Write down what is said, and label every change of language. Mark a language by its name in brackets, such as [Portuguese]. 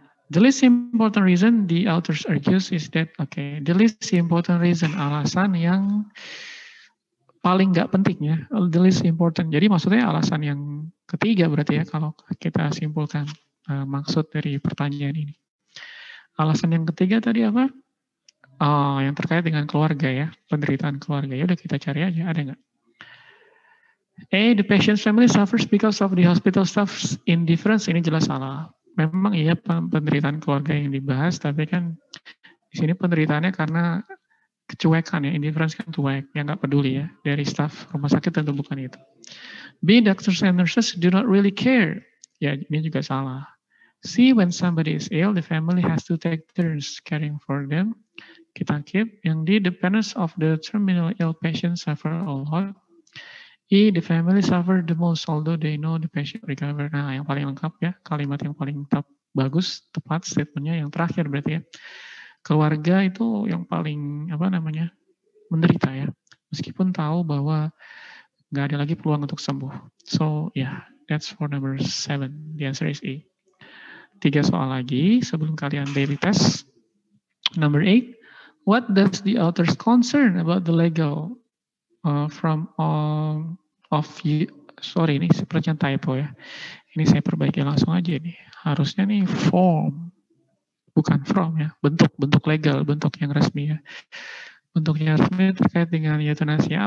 [English] The least important reason the authors argues is that, okay, the least important reason, [Indonesian] alasan yang paling nggak penting ya, [English] the least important. [Indonesian] Jadi maksudnya alasan yang ketiga berarti ya, kalau kita simpulkan maksud dari pertanyaan ini. Alasan yang ketiga tadi apa? Oh, yang terkait dengan keluarga ya, penderitaan keluarga. Ya udah kita cari aja, ada nggak? [English] A, the patient's family suffers because of the hospital staff's indifference. [Indonesian] Ini jelas salah. Memang iya penderitaan keluarga yang dibahas, tapi kan di sini penderitaannya karena kecuekan ya, indifference kan cuek, yang nggak peduli ya, dari staff rumah sakit tentu bukan itu. [English] B, doctors and nurses do not really care. [Indonesian] Ya, ini juga salah. [English] C, when somebody is ill, the family has to take turns caring for them. [Indonesian] Kita keep. [English] Yang D, the parents of the terminal ill patient suffer a lot. E, the family suffer the most, although they know the patient recover. [Indonesian] Nah, yang paling lengkap ya, kalimat yang paling bagus, tepat statementnya yang terakhir berarti ya. Keluarga itu yang paling, apa namanya, menderita ya. Meskipun tahu bahwa nggak ada lagi peluang untuk sembuh. [English] So, yeah, that's for number 7. The answer is E. [Indonesian] Tiga soal lagi sebelum kalian daily test. [English] Number 8. What does the author's concern about the Lego from of you? [Indonesian] Sorry, ini sepertinya typo ya. Ini saya perbaiki langsung aja nih. Harusnya nih form, bukan from ya. Bentuk legal, bentuk yang resmi ya. Bentuk yang resmi terkait dengan euthanasia.